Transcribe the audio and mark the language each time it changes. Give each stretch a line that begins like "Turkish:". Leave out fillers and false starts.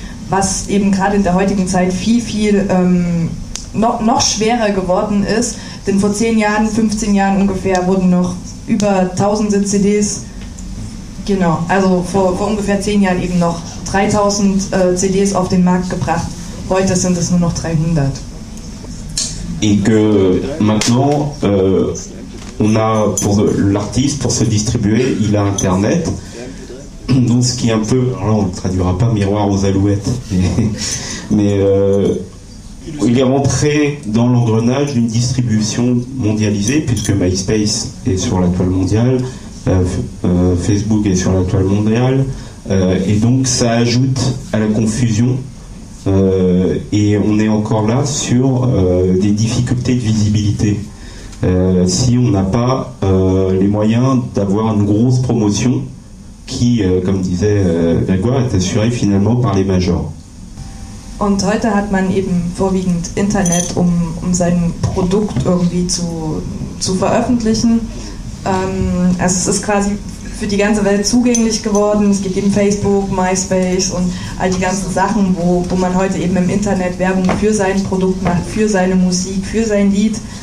German: Was eben gerade in der heutigen Zeit viel, viel noch schwerer geworden ist. Denn vor 10 Jahren, 15 Jahren ungefähr, wurden noch über tausende CDs, genau, also vor ungefähr 10 Jahren eben noch 3000 CDs auf den Markt gebracht. Heute sind es nur noch 300.
French: Et que maintenant, on a pour l'artiste, pour se distribuer, il a Internet. Donc ce qui est un peu, alors on ne traduira pas miroir aux alouettes, mais il est rentré dans l'engrenage d'une distribution mondialisée, puisque MySpace est sur la toile mondiale, Facebook est sur la toile mondiale, et donc ça ajoute à la confusion, et on est encore là sur des difficultés de visibilité. Si on n'a pas les moyens d'avoir une grosse promotion, qui, comme disait Grégoire, est assuré finalement par les majors.
German: Und heute hat man eben vorwiegend Internet, um sein Produkt irgendwie zu veröffentlichen. Also es ist quasi für die ganze Welt zugänglich geworden. Es gibt eben Facebook, MySpace und all die ganzen Sachen, wo man heute eben im Internet Werbung für sein Produkt macht, für seine Musik, für sein Lied.